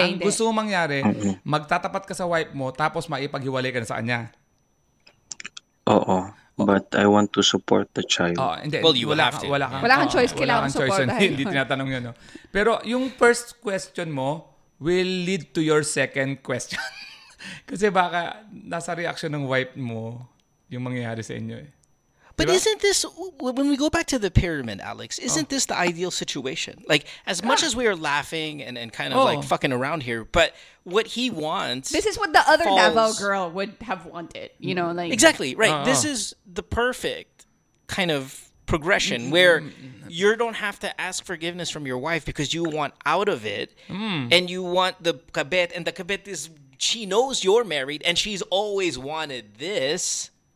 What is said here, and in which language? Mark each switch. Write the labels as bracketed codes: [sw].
[tl] ang gusto mo mangyari, magtatapat ka sa wife mo, tapos maipaghiwalay ka na sa kanya. Oo. [en] But I want to support the child. [tl] Wala kang choice. Kailangan ang support. Hindi tinatanong yun. No? Pero yung [en] first question mo will lead to your second question. [tl] Kasi baka nasa reaction ng wife mo yung mangyayari sa inyo. [en] But isn't this, when we go back to the pyramid, Alex, isn't this the ideal situation? Like, as much as we are laughing and kind of like fucking around here, but what he wants... This is what the other Davao girl would have wanted, you know? Like exactly, right. Uh-oh. This is the perfect kind of progression where you don't have to ask forgiveness from your wife because you want out of it and you want the kabit, and the kabit is, she knows you're married and she's always wanted this.